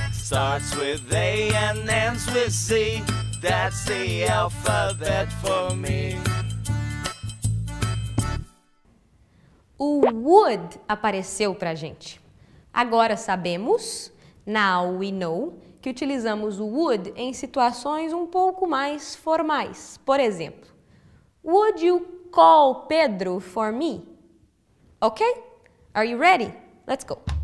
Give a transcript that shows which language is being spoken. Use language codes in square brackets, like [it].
[en] Starts with A and ends with Z. That's the alphabet for me. [pt] O would apareceu pra gente. Agora sabemos, [en] now we know, [pt] que utilizamos o would em situações um pouco mais formais. Por exemplo, [en] would you call Pedro for me? Ok? Are you ready? Let's go.